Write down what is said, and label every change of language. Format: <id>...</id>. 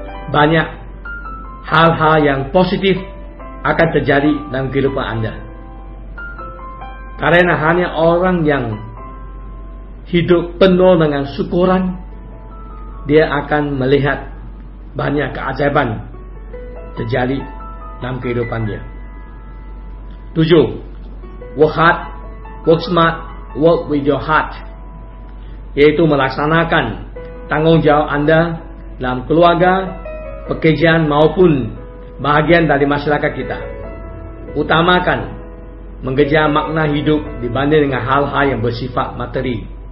<id>Banyak hal-hal yang positif akan terjadi dalam kehidupan anda. Karena hanya orang yang hidup penuh dengan syukuran, dia akan melihat banyak keajaiban terjadi dalam kehidupan dia. 7.</id> <en>Work hard, work smart, work with your heart.</en> <id>Yaitu melaksanakan tanggung jawab Anda dalam keluarga, pekerjaan maupun bagian dari masyarakat kita. Utamakan mengejar makna hidup dibanding dengan hal-hal yang bersifat materi.</id>